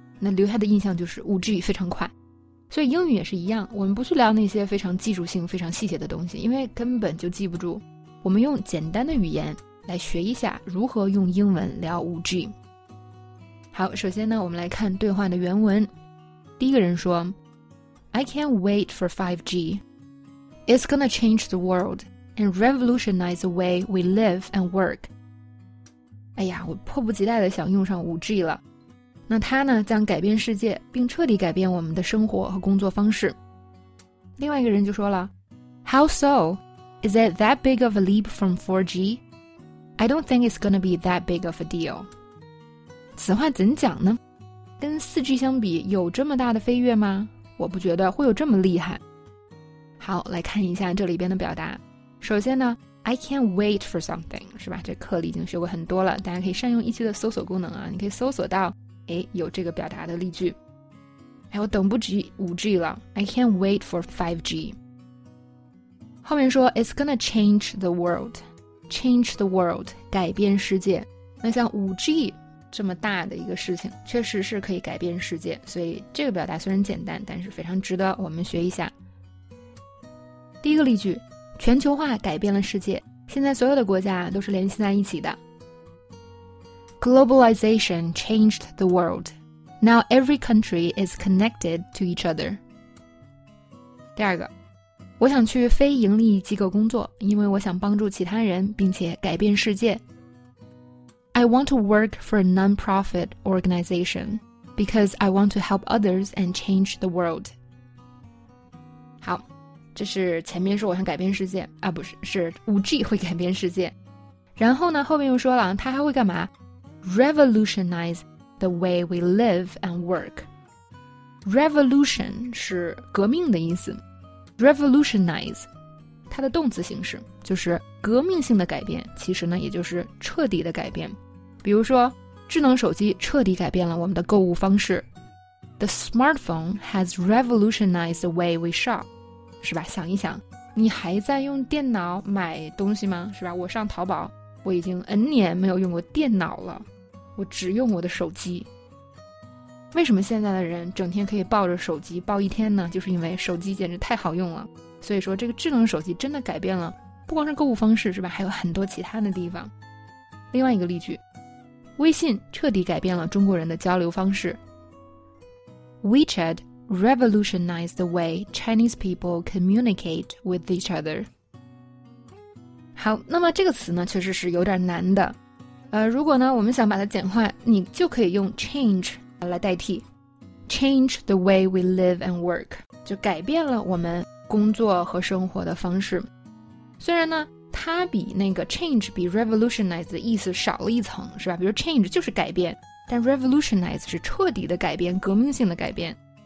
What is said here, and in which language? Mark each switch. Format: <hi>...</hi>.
<zh>那留下的印象就是 5G 非常快。所以英语也是一样，我们不去聊那些非常技术性非常细节的东西，因为根本就记不住。我们用简单的语言来学一下如何用英文聊 5G。好，首先呢，我们来看对话的原文。第一个人说，</zh> <en>I can't wait for 5G. It's gonna change the world and revolutionize the way we live and work.</en> <zh>哎呀，我迫不及待地想用上 5G 了。那它呢，将改变世界，并彻底改变我们的生活和工作方式。另外一个人就说了，</zh> <en>How so? Is it that big of a leap from 4G? I don't think it's gonna be that big of a deal.</en> <zh>此话怎讲呢？跟 4G 相比，有这么大的飞跃吗？我不觉得会有这么厉害。好，来看一下这里边的表达。首先呢，</zh> <en>I can't wait for something，</en> <zh>是吧？这课里已经学过很多了，大家可以善用一期的搜索功能啊，你可以搜索到，哎，有这个表达的例句。哎，我等不及 5G 了，</zh> <en>I can't wait for 5G。后面说 It's gonna change the world， change the world，</en> <zh>改变世界。那像 5G这么大的一个事情，确实是可以改变世界，所以这个表达虽然简单，但是非常值得我们学一下。第一个例句，全球化改变了世界，现在所有的国家都是联系在一起的。</zh> <en>Globalization changed the world. Now every country is connected to each other.</en> <zh>第二个，我想去非盈利机构工作，因为我想帮助其他人并且改变世界。</zh> <en>I want to work for a non-profit organization because I want to help others and change the world.</en> <zh>好，这是前面说我想改变世界啊，不是，是 5G 会改变世界。然后呢，后面又说了，他还会干嘛？</zh> <en>Revolutionize the way we live and work.</en> <zh>Revolution 是革命的意思， Revolutionize 它的动词形式就是革命性的改变，其实呢，也就是彻底的改变。比如说，智能手机彻底改变了我们的购物方式。</zh> <en>The smartphone has revolutionized the way we shop.</en> <zh>是吧？想一想，你还在用电脑买东西吗？是吧？我上淘宝，我已经 N 年没有用过电脑了，我只用我的手机。为什么现在的人整天可以抱着手机抱一天呢？就是因为手机简直太好用了。所以说，这个智能手机真的改变了，不光是购物方式，是吧？还有很多其他的地方。另外一个例句，微信彻底改变了中国人的交流方式。</zh> <en>WeChat revolutionized the way Chinese people communicate with each other.</en> <zh>好，那么这个词呢，确实是有点难的。如果呢，我们想把它简化，你就可以用 change 来代替。</zh> <en>Change the way we live and work，</en> <zh>就改变了我们工作和生活的方式。虽然呢，它比那个 change 比 revolutionize 的意思少了一层，是吧？比如 change 就是改变，但 revolutionize 是彻底的改变，革命性的改变。</zh>